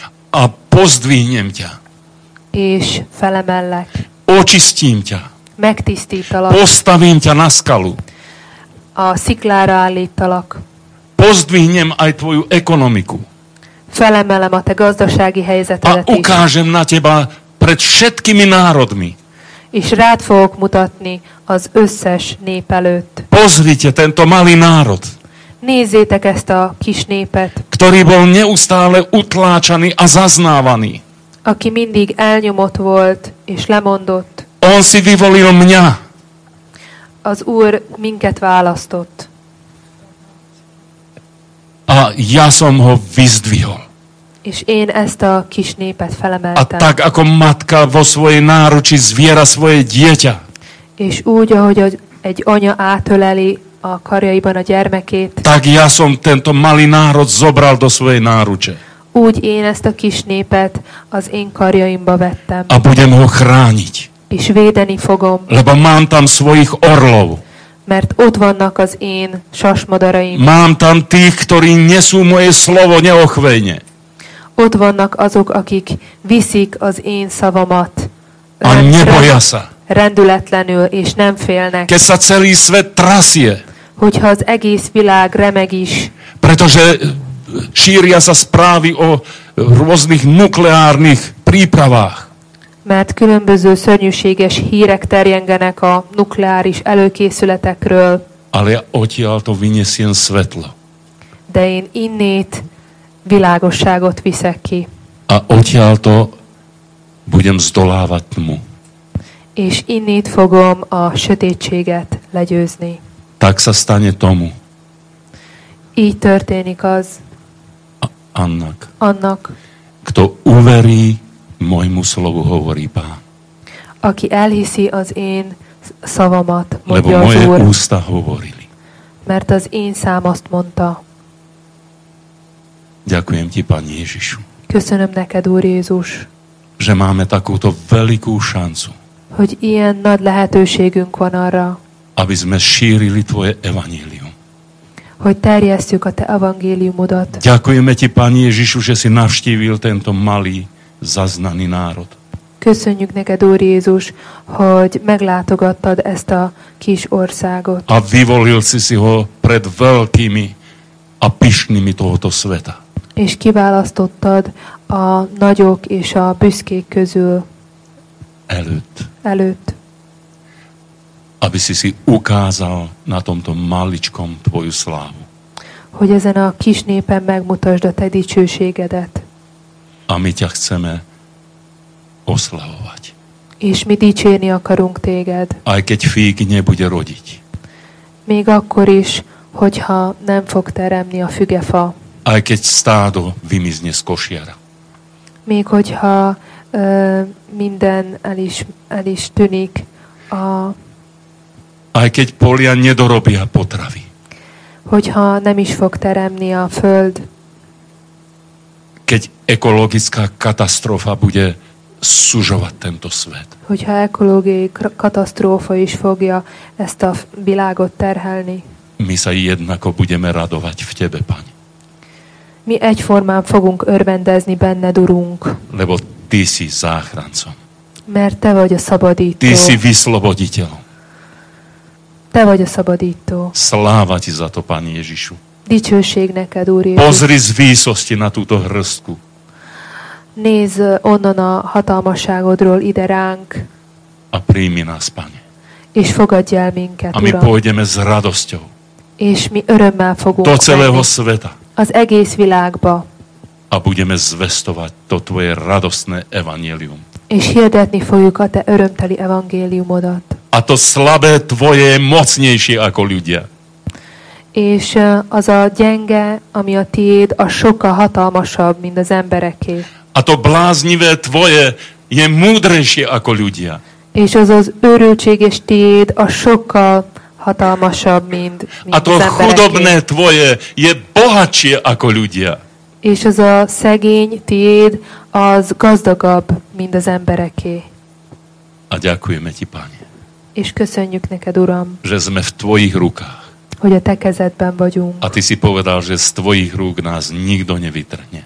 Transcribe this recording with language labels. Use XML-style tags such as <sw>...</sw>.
<sk>A pozdvihnem ťa.</sk> <hu>És felemellek.</hu> <sk>Očistím ťa.</sk> <hu>Megtisztítalak.</hu> <sk>Postavím ťa na skalu.</sk> <hu>A sziklára állítalak.</hu> <sk>Pozdvihnem aj tvoju ekonomiku.</sk> <hu>Felemelem a te gazdasági helyzetedet a is.</hu> <sk>A ukážem na teba pred všetkými národmi.</sk> <hu>És rád fogok mutatni az összes nép előtt.</hu> <sk>Pozrite tento malý národ.</sk> <hu>Nézzétek ezt a kis népet.</hu> <sk>Ktorý bol neustále utláčaný a zaznávaný.</sk> <hu>Aki mindig elnyomott volt és lemondott.</hu> <sk>On si vyvolil mňa.</sk> <hu>Az Úr minket választott.</hu> <sk>A ja som ho vyzdvihol.</sk> <hu>És én ezt a kis népet felemeltem.</hu> <sk>A tak, ako matka vo svojej náruči zviera svoje dieťa.</sk> <hu>És úgy, ahogy egy anya átöleli a karjaiban a gyermekét.</hu> <sk>Tak ja som tento malý národ zobral do svojej náruče.</sk> <hu>Úgy én ezt a kis népet az én karjaimba vettem.</hu> <sk>A budem ho chrániť.</sk> <hu>És védeni fogom.</hu> <sk>Lebo mám tam svojich orlov.</sk> <hu>Mert ott vannak az én sasmadaraim.</hu> <sk>Mám tam tých, ktorí nesú moje slovo neochvejne.</sk> <hu>Ott vannak azok, akik viszik az én szavamat.</hu> <sk>A neboja sa.</sk> <hu>Rendületlenül, és nem félnek.</hu> <sk>Keď sa celý svet trasie.</sk> <hu>Hogyha az egész világ remeg is.</hu> <sk>Pretože šíria sa správy o rôznych nukleárnych prípravách.</sk> <hu>Mert különböző szörnyűséges hírek terjengenek a nukleáris előkészületekről.</hu> <sk>Ale ja odtiaľto vyniesiem svetlo.</sk> <hu>De én innét világosságot viszek ki.</hu> <sk>A odtiaľto budem zdolávať tmu.</sk> <hu>És innét fogom a sötétséget legyőzni.</hu> <sk>Tak sa stane tomu.</sk> <hu>Így történik az. Annak. Annak.</hu> <sk>Kto uverí mojmu slovu, hovorí Pán.</sk> <hu>Aki elhiszi az én szavamat,</hu> <sk>lebo</sk> <hu>mondja</hu> <sk>moje</sk> <hu>az Úr.</hu> <sk>Ústa hovorili.</sk> <hu>Mert az én szám azt mondta.</hu> <sk>Ďakujem ti, Pán Ježišu.</sk> <hu>Köszönöm neked, Úr Jézus.</hu> <sk>Že máme takúto velikú šancu.</sk> <hu>Hogy ilyen nagy lehetőségünk van arra.</hu> <sk>Aby sme šírili tvoje evanjelium.</sk> <hu>Hogy terjesztjük a te evangéliumodat.</hu> <sk>Ďakujeme ti, Pán Ježišu, že si navštívil tento malý zaznaný národ.</sk> <hu>Köszönjük neked, Úr Jézus, hogy meglátogattad ezt a kis országot.</hu> <sk>A vyvolil si si ho pred veľkými a pyšnými tohoto sveta.</sk> <hu>És kiválasztottad a nagyok és a büszkék közül. Előtt. Előtt.</hu> <sk>Aby si si ukázal na tomto maličkom tvoju slávu.</sk> <hu>Hogy ezen a kis népen megmutasd a te dicsőségedet.</hu> <sk>A my ťa chceme oslavovať.</sk> <hu>És mi dicsérni akarunk téged.</hu> <sk>Aj keď fík nebude rodiť.</sk> <hu>Még akkor is, hogyha nem fog teremni a fügefa.</hu> <sk>Aj keď stádo vymizne z košiara.</sk> <hu>Még hogyha minden el is tűnik a...</hu> <sk>Aj keď polia nedorobia potravy.</sk> <hu>Hogyha nem is fog teremni a föld.</hu> <sk>Keď ekologická katastrofa bude sužovať tento svet.</sk> <hu>Hogyha ekológiai katasztrófa is fogja ezt a világot terhelni.</hu> <sk>My sa jednako budeme radovať v tebe, Pane.</sk> <hu>Mi egyformán fogunk örvendezni benned, Urunk.</hu> <sk>Lebo ty si záchrancom.</sk> <hu>Mert te vagy a szabadító.</hu> <sk>Ty si vysloboditeľ.</sk> <hu>Te vagy a szabadító.</hu> <sk>Sláva ti za to, Pane Ježišu.</sk> <hu>Dicsőség neked, Úr Jézus.</hu> <sk>Pozri z výsosti na túto hrstku.</sk> <hu>Nézz onnan a hatalmasságodról ide ránk.</hu> <sk>A príjmi nás, Pane.</sk> <hu>És fogadj el minket, Uram.</hu> <sk>A my pôjdeme s radosťou.</sk> <hu>És mi örömmel fogunk</hu> <sk>do celého</sk> <hu>menni.</hu> <sk>Sveta.</sk> <hu>Az egész világba.</hu> <sk>A budeme zvestovať to tvoje radostné evangélium.</sk> <hu>És hirdetni fogjuk a te örömteli evangéliumodat.</hu> <sk>A to slabé tvoje je mocnejšie ako ľudia.</sk> <hu>És az a gyenge, ami a tiéd, a sokkal hatalmasabb, mint az embereké.</hu> <sk>A to bláznivé tvoje je múdrejšie ako ľudia.</sk> <hu>És az az őrültséges tiéd a sokkal hatalmasabb, mint az embereké.</hu> <sk>A to chudobné tvoje je bohatšie ako ľudia.</sk> <hu>És az a szegény tiéd az gazdagabb, mint az embereké.</hu> <sk>A ďakujeme ti, Pane.</sk> <hu>És köszönjük neked, Uram,</hu> <sk>že sme v tvojich rukách.</sk> <hu>Hogy a te kezedben vagyunk.</hu> <sk>A ty si povedal, že z tvojich rúk nás nikto nevytrhne.</sk>